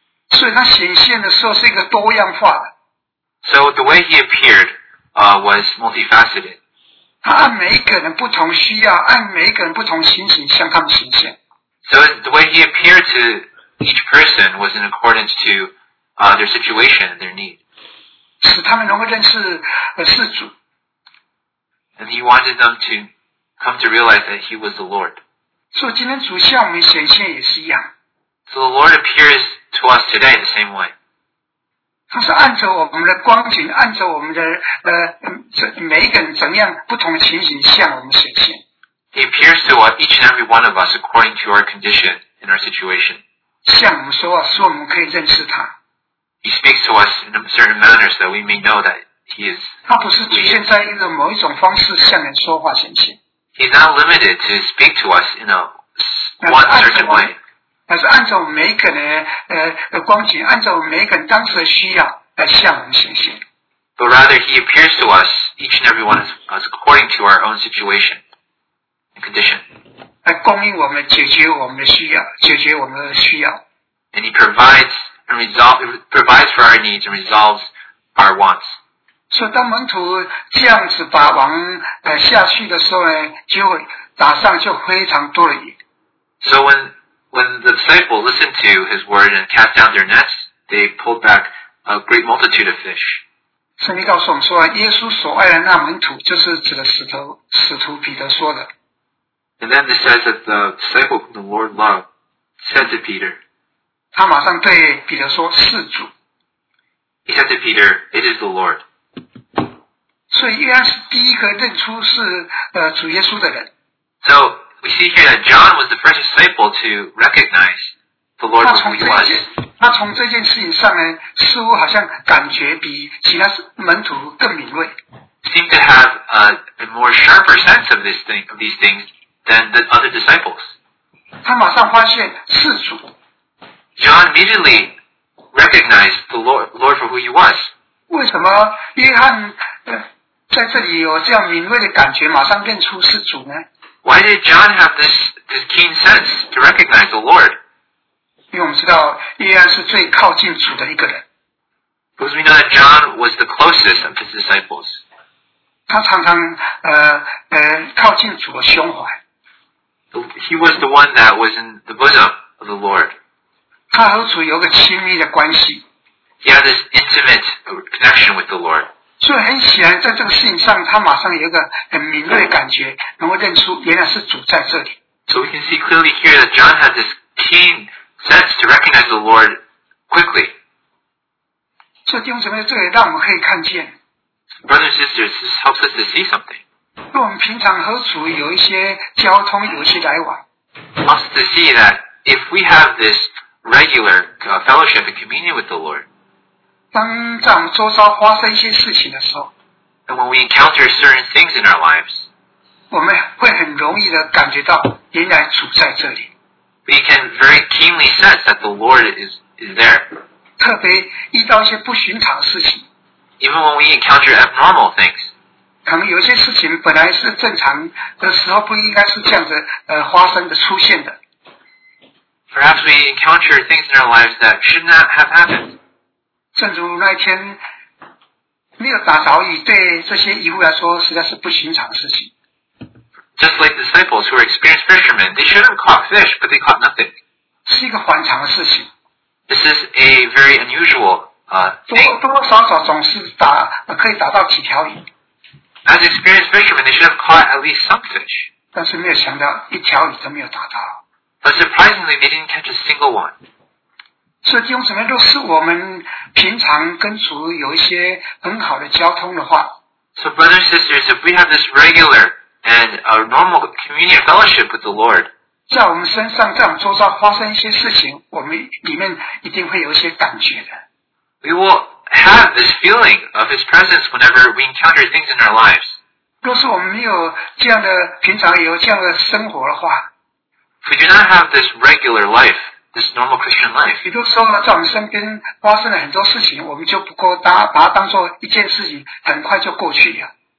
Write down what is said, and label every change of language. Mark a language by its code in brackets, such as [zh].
[zh] 所以他显现的时候是一个多样化的。 [en] So the way he appeared, was multifaceted. [zh] 他按每一个人不同需要，按每一个人不同情形向他们显现。 [en] So the way he appeared to each person was in accordance to, their situation and their need. [zh] 使他们能够认识是主。 [en] And he wanted them to come to realize that he was the Lord. [zh] 所以今天主向我们显现也是一样。 [en] So the Lord appears to us today the same way. [zh] 他是按着我们的光景，按着我们的每一个人怎样不同的情形向我们显现。 [en] He appears to us, each and every one of us, according to our condition and our situation. [zh] 向我们说话，使我们可以认识他。 [en] He speaks to us in a certain manner so that we may know that he is. [zh] 他不是局限在一种某一种方式向人说话显现。 [en] He's not limited to speak to us in a one certain way. [zh] 而是按照每个人的光景，按照每个人当时的需要来向我们显现。 [en] But rather, he appears to us each and every one as according to our own situation and condition. [zh] 来供应我们，解决我们的需要，解决我们的需要。 [en] And he provides and provides for our needs and resolves our wants. [zh] 所以当门徒这样子把网下去的时候呢，就打上就非常多的鱼。 [en] So when the disciples listened to his word and cast down their nets, they pulled back a great multitude of fish. [zh] 圣经告诉我们说，耶稣所爱的那门徒就是指的使徒彼得说的。 [en] And then it says that the disciple whom the Lord loved said to Peter, [zh] 他马上对彼得说，是主。 [en] He said to Peter, it is the Lord. [zh] 所以约翰是第一个认出是主耶稣的人。 [en] So,We see here that John was the first disciple to recognize the Lord who he was. [zh] 他从这件事情上呢，似乎好像感觉比其他门徒更敏锐。 [en] Seemed to have a more sharper sense of this thing, of these things than the other disciples. [zh] 他马上发现是主。 [en] John immediately recognized the Lord for who he was. [zh] 为什么约翰在这里有这样敏锐的感觉，马上认出是主呢？ [en] Why did John have this keen sense to recognize the Lord? [zh] 因为我们知道约翰是最靠近主的一个人。 [en] Because we know that John was the closest of his disciples. [zh] 他常常靠近主的胸怀。 [en] He was the one that was in the bosom of the Lord. [zh] 他和主有个亲密的关系。 [en] He has this intimate connection with the Lord. [zh] 所以很显然在这个事情上他马上有一个很敏锐的感觉能够认出原来是主在这里。 [en] So we can see clearly here that John has this keen sense to recognize the Lord quickly. [zh] 所以弟兄姊妹这里让我们可以看见。 [en] Brothers and sisters, this helps us to see something. [zh] 我们平常和主有一些交通有一些来往。 [en] Helps us to see that if we have this regular fellowship and communion with the Lord, [zh] 当在我们周遭发生一些事情的时候 [en] and when we encounter certain things in our lives, [zh] 我们会很容易的感觉到原来主在这里。 [en] We can very keenly sense that the Lord is there. [zh] 特别遇到一些不寻常的事情。 [en] Even when we encounter abnormal things. [zh] 可能有些事情本来是正常的时候不应该是这样子发生的出现的。 [en] Perhaps we encounter things in our lives that should not have happened. [zh] 正如那天没有打着雨对这些渔夫来说实在是不寻常的事情。 [en] Just like disciples who are experienced fishermen, they should have caught fish, but they caught nothing. [zh] 是一个反常的事情。 [en] This is a very unusual thing. [zh] 多少少总是可以打到几条鱼。 [en] As experienced fishermen, they should have caught at least some fish. [zh] 但是没有想到一条鱼都没有打到。 [en] But surprisingly, they didn't catch a single one. [zh] 所以弟兄姊妹，若是我们平常跟主有一些很好的交通的话。 [en] So brothers and sisters, if we have this regular and a normal communion fellowship with the Lord, [zh] 在我们身上，在我们周遭发生一些事情，我们里面一定会有一些感觉的。 [en] We will have this feeling of His presence whenever we encounter things in our lives. [zh] 若是我们没有这样的平常有这样的生活的话。 [en] If we do not have this regular life, this normal Christian life, [zh] 比如说呢，在我们身边发生了很多事情，我们就不过把它当做一件事情，很快就过去了。